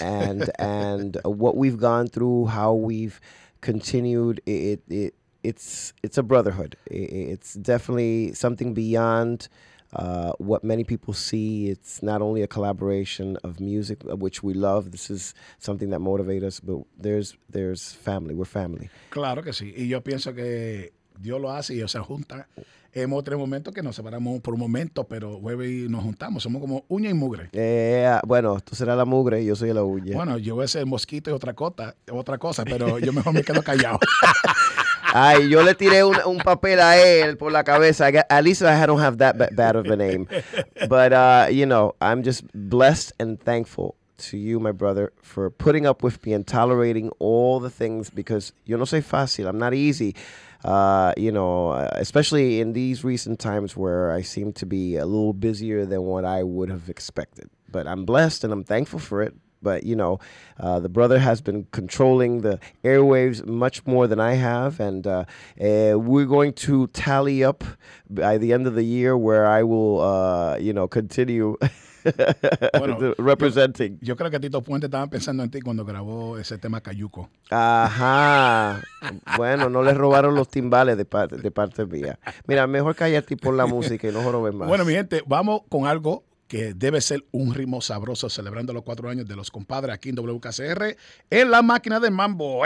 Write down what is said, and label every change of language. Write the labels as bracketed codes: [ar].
[en] And what we've gone through, how we've continued, it's a brotherhood. It's definitely something beyond what many people see. It's not only a collaboration of music, which we love. This is something that motivates us, but there's family. We're family. [es] Claro que sí. Y yo pienso que Dios lo hace y ellos se juntan. Hemos tenido momentos que nos separamos por un momento, pero vuelve y nos juntamos. Somos como uña y mugre. Bueno, tú serás la mugre y yo soy la uña. Bueno, yo voy a ser mosquito y otra cosa, pero yo mejor me quedo callado. Ay, yo le tiré un papel a él por la cabeza. [en] At least I don't have that bad of a name. But, you know, I'm just blessed and thankful to you, my brother, for putting up with me and tolerating all the things, because [es] yo no soy fácil. [en] I'm not easy. You know, especially in these recent times where I seem to be a little busier than what I would have expected. But I'm blessed and I'm thankful for it. But, you know, the brother has been controlling the airwaves much more than I have. And we're going to tally up by the end of the year where I will, you know, continue bueno, representing. [es] Yo creo que Tito Puente estaba pensando en ti cuando grabó ese tema Cayuco. Ajá. Bueno, no le robaron los timbales de parte mía. Mira, mejor callarte y pon la música y no jorobes más. Bueno, mi gente, vamos con algo que debe ser un ritmo sabroso celebrando los 4 años de Los Compadres aquí en WKCR en la máquina de mambo.